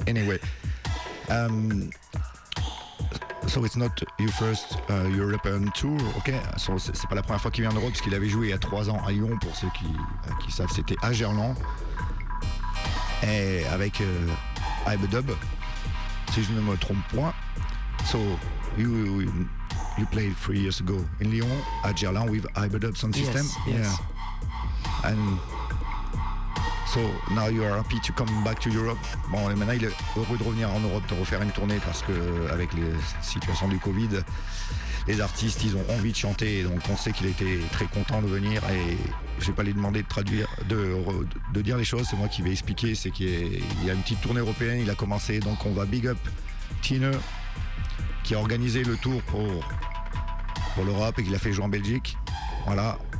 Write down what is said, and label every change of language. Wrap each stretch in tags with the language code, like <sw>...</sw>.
<en>Anyway, so it's not your first European tour, okay?</en> <fr>So c'est pas la première fois qu'il vient en Europe, parce qu'il avait joué il y a 3 ans à Lyon, pour ceux qui savent, c'était à Gerland, et avec Ibedub, si je ne me trompe point.</fr> <en>So you played 3 years ago in Lyon at Gerland with Hybrid Sound System. Yes, yes. Yeah. And so now you are happy to come back to Europe.</en> <fr>Bon, et maintenant il est heureux de revenir en Europe, de refaire une tournée parce que avec les situations du Covid, les artistes ils ont envie de chanter. Donc on sait qu'il était très content de venir et je vais pas lui demander de traduire, de dire les choses. C'est moi qui vais expliquer. C'est qu'il y a une petite tournée européenne. Il a commencé. Donc on va big up Tineu qui a organisé le tour pour l'Europe et qui l'a fait jouer en Belgique. Voilà.</fr>